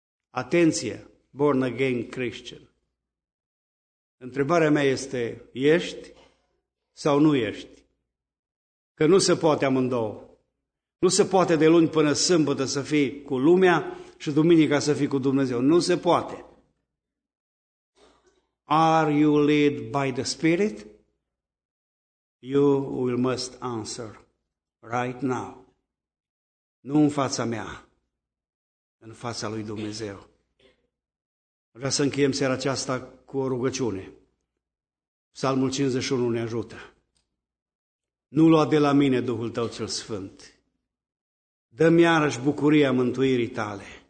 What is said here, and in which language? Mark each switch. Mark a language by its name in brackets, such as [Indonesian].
[Romanian] Atenție, born again Christian. Întrebarea mea este, ești sau nu ești? Că nu se poate amândouă. Nu se poate de luni până sâmbătă să fii cu lumea și duminica să fii cu Dumnezeu. Nu se poate. [English] Are you led by the Spirit? You will must answer right now. [Romanian] Nu în fața mea, în fața lui Dumnezeu. Vreau să încheiem seara aceasta cu o rugăciune. Psalmul 51 ne ajută. Nu lua de la mine Duhul Tău cel Sfânt. Dă-mi iarăși bucuria mântuirii Tale.